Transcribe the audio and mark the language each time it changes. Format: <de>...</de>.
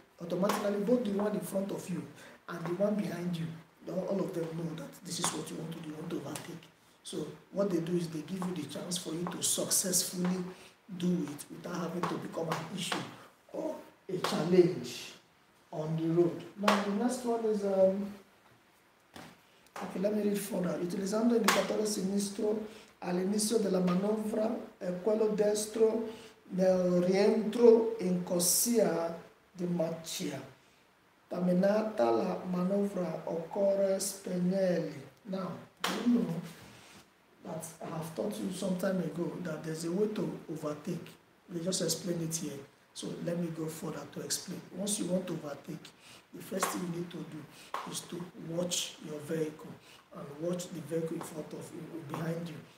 <en>Automatically, both the one in front of you and the one behind you, all of them know that this is what you want to do, you want to overtake. So what they do is they give you the chance for you to successfully do it without having to become an issue or a challenge on the road. Now, the next one is, okay, let me read further.</en> <it>Utilizando indicatore sinistro all'inizio della manovra e quello destro nel rientro in corsia di marcia. Terminata la manovra occorre spegnere.</it> <en>Now, do you know that I have taught you some time ago that there's a way to overtake? We just explained it here. So let me go further to explain. Once you want to overtake, the first thing you need to do is to watch your vehicle and watch the vehicle in front of you, behind you.</en>